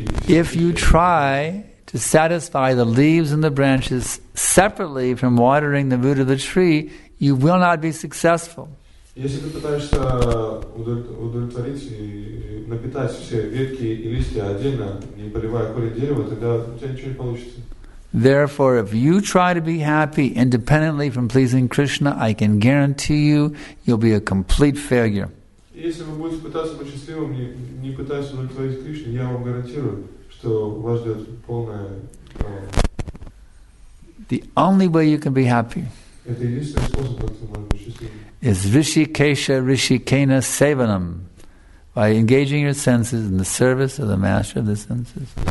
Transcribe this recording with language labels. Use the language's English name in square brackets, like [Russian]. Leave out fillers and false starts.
[English] If you try to satisfy the leaves and the branches separately from watering the root of the tree, you will not be successful. [Russian] Если ты пытаешься удовлетворить и напитать все ветки и листья отдельно, не поливая корень дерева, тогда у тебя ничего не получится. [English] Therefore, if you try to be happy independently from pleasing Krishna, I can guarantee you, you'll be a complete failure. [Russian] Если вы будете пытаться быть счастливым, не пытаясь удовлетворить Кришну, я вам гарантирую, что вас ждет полное... [English] The only way you can be happy is [Sanskrit] Rishikesha Rishikena Sevanam, [English] by engaging your senses in the service of the master of the senses.